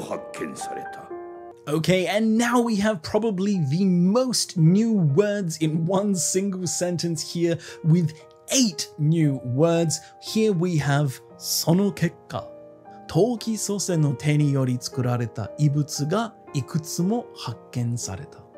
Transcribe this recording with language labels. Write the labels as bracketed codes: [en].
[ja] 我らは予言に従って発掘を行った。その結果、陶器祖先の手により作られた遺物がいくつも発見された。Okay, [en] and now we have probably the most new words in one single sentence here with 8 new words. Here we have その結果。 [ja] 陶器祖先の手により作られた遺物がいくつも発見された。